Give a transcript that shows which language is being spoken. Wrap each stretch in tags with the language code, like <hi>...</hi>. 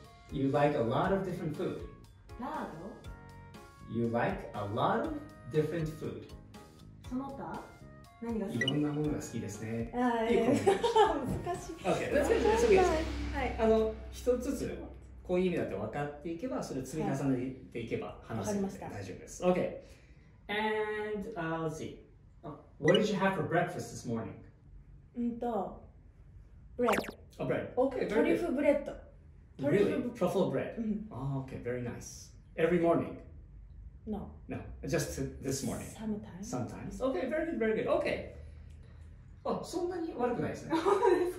<en>You like a lot of different food.</en> <ja>ラード？</ja> <en>You like a lot of different food.</en> <ja>その他？何が好き？いろんなものが好きですね。難しい。</ja> <en>Okay, that's good. That's good.</en> <ja>はい。一つずつ。こういう意味だと分かっていけば、それを積み重ねていけば話せるので、はい、大丈夫です。</ja> <en>OK。 And, let's see. What did you have for breakfast this morning? Bread. Oh, bread. OK, very good. トリュフブレッド。トリュフ really? Truffle bread? Oh, OK, very nice. Every morning? No. No, just this morning. Sometimes. Sometimes. OK, very good, very good. OK.</en> <ja>Oh, そんなに悪くないですね。です</ja>